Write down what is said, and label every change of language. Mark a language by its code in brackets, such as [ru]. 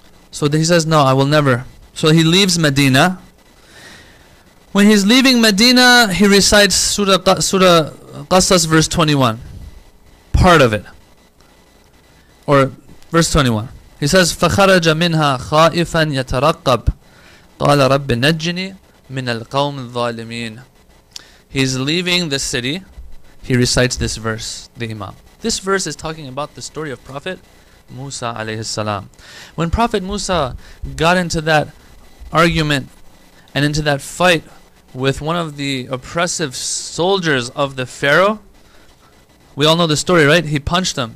[en] So he says, "No, I will never." So he leaves Medina. When he's leaving Medina, he recites Surah Qasas, verse 21, part of it, or verse 21. He says, [ar] "فَخَرَجَ مِنْهَا خَائِفًا يَتَرَقَّبُ قَالَ رَبِّ نَجِّنِي مِنَ الْقَوْمِ الظَّالِمِينَ." [en] He's leaving the city. He recites this verse. The Imam. This verse is talking about the story of Prophet Musa alayhi salam. When Prophet Musa got into that argument and into that fight with one of the oppressive soldiers of the Pharaoh, we all know the story, right? He punched them.